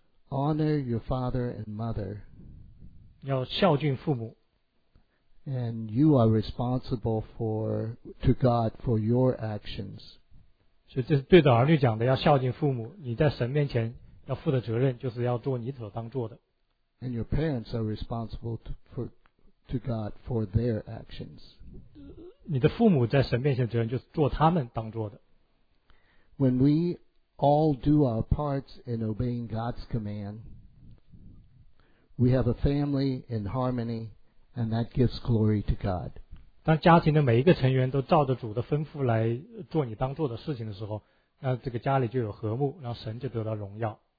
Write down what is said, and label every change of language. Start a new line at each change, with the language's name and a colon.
English: Honor your father and mother.
Chinese: 要孝敬父母。
English: And you are responsible to God for your actions.
Chinese: 所以这是对着儿女讲的，要孝敬父母。你在神面前要负的责任，就是要做你所当做的。
English: And your parents are responsible to God for their actions.
Chinese: 你的父母在神面前责任就是做他们当做的。
English: When we all do our parts in obeying God's command, we have a family in harmony, and that gives glory to God.
Chinese: 当家庭的每一个成员都照着主的吩咐来做你当做的事情的时候，那这个家里就有和睦，让神就得到荣耀。